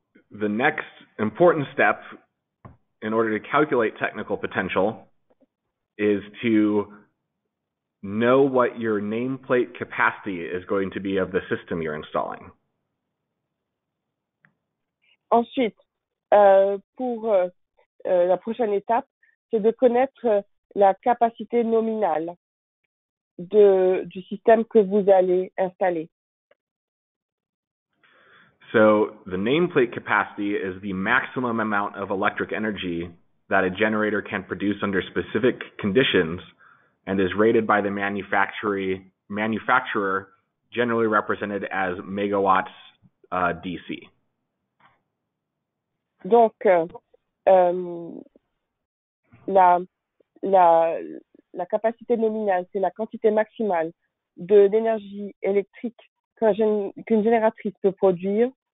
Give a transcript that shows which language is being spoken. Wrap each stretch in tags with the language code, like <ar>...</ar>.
<en>The next important step in order to calculate technical potential is to know what your nameplate capacity is going to be of the system you're installing.</en> <fr>Ensuite, pour la prochaine étape, c'est de connaître la capacité nominale du système que vous allez installer.</fr> <en>So the nameplate capacity is the maximum amount of electric energy that a generator can produce under specific conditions and is rated by the manufacturer, generally represented as megawatts DC.</en> <fr>Donc, la capacité nominale, c'est la quantité maximale d'énergie électrique qu'une génératrice peut produire</fr>